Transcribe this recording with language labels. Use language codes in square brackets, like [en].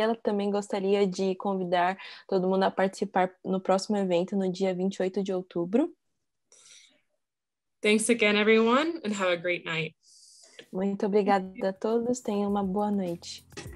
[pt] Ela também gostaria de convidar todo mundo a participar no próximo evento, no dia 28 de outubro. [en] Thanks again, everyone, and have a great night. [pt] Muito obrigada a todos, tenham uma boa noite.